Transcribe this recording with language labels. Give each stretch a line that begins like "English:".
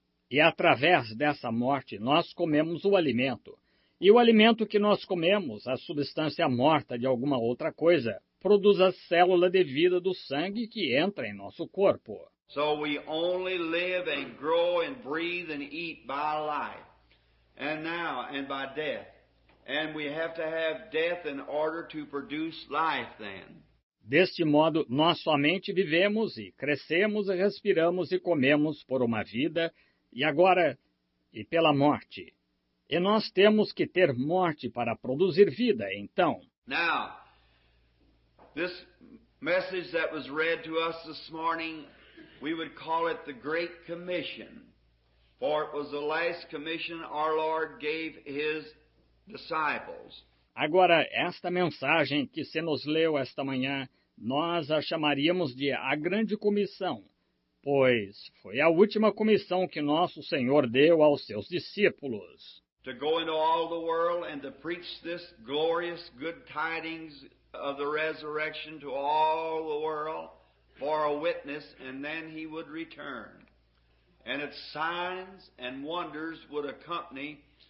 Portuguese: E através dessa morte, nós comemos o alimento. E o alimento que nós comemos, a substância morta de alguma outra coisa, produz a célula de vida do sangue que entra em nosso corpo.
English: So we only live and grow and breathe and eat by life, and now and by death. And we have to have death in order to produce life then.
Portuguese: Deste modo, nós somente vivemos e crescemos e respiramos e comemos por uma vida, e agora, e pela morte. E nós temos que ter morte para produzir vida, então.
English: Now, this message that was read to us this morning, we would call it the Great Commission, for it was the last commission our Lord gave his disciples.
Portuguese: Agora, esta mensagem que se nos leu esta manhã, nós a chamaríamos de a Grande Comissão, pois foi a última comissão que nosso Senhor deu aos seus discípulos.
English: To go into all the world and to preach this glorious good tidings of the resurrection to all the world for a witness, and then he would return. And its signs and wonders would accompany